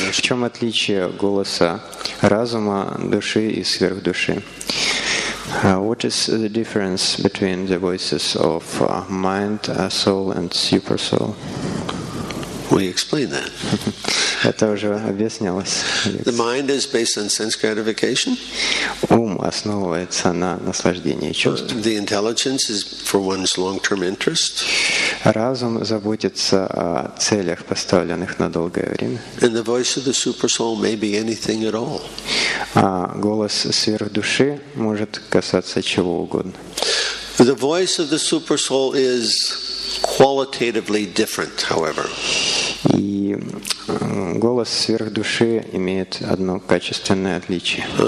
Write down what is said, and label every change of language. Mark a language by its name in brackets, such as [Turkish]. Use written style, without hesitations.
[Russian] В чем отличие голоса разума, души и сверхдуши? [English] What is the difference between the voices of mind, soul, and super soul? We explain that. [Russian] Это уже объяснялось. [English] The mind is based on sense gratification. [Russian] Ум основывается на наслаждении чувств. [English] The intelligence is for one's long-term interest. [Russian] Разум заботится о целях, поставленных на долгое время. [English] And the voice of the super soul may be anything at all. [Russian] А голос сверхдуши может касаться чего угодно. [English] The voice of the super soul is qualitatively different, however. [Russian] И голос сверхдуши имеет одно качественное отличие.